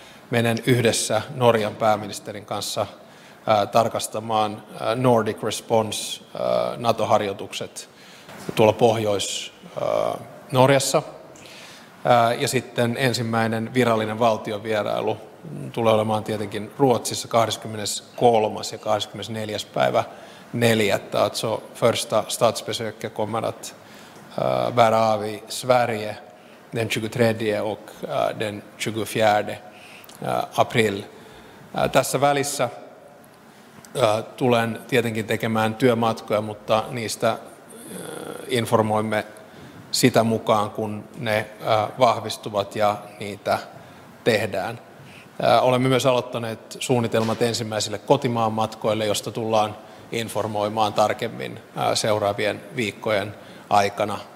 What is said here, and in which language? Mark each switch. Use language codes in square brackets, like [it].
[fi] Menen yhdessä Norjan pääministerin kanssa tarkastamaan Nordic Response NATO-harjoitukset tuolla Pohjois-Norjassa. Ja sitten ensimmäinen virallinen valtiovierailu tulee olemaan tietenkin Ruotsissa 23. ja 24. päivä 4. [sv] Alltså första statsbesöket kommer att bära av i Sverige den 23 och den 24 april. [fi] Tässä välissä tulen tietenkin tekemään työmatkoja, mutta niistä informoimme sitä mukaan, kun ne vahvistuvat ja niitä tehdään. Olemme myös aloittaneet suunnitelmat ensimmäisille kotimaan matkoille, josta tullaan informoimaan tarkemmin seuraavien viikkojen aikana.